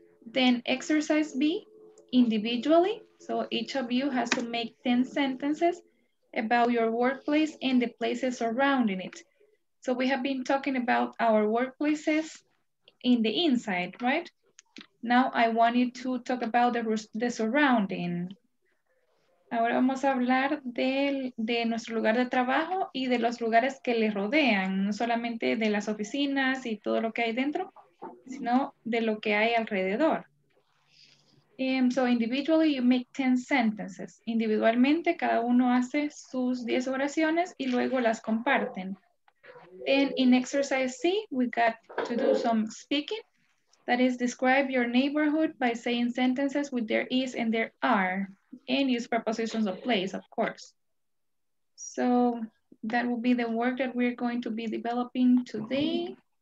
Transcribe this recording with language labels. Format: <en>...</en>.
<en>Then exercise B, individually. So each of you has to make 10 sentences about your workplace and the places surrounding it. So we have been talking about our workplaces in the inside, right? Now I want you to talk about the surrounding.</en> <es>Ahora vamos a hablar de nuestro lugar de trabajo y de los lugares que le rodean, no solamente de las oficinas y todo lo que hay dentro, sino de lo que hay alrededor.</es> <en>So individually you make 10 sentences.</en> <es>Individualmente cada uno hace sus 10 oraciones y luego las comparten.</es> <en>And in exercise C, we got to do some speaking. That is, describe your neighborhood by saying sentences with there is and there are. And use prepositions of place, of course. So that will be the work that we're going to be developing today.</en>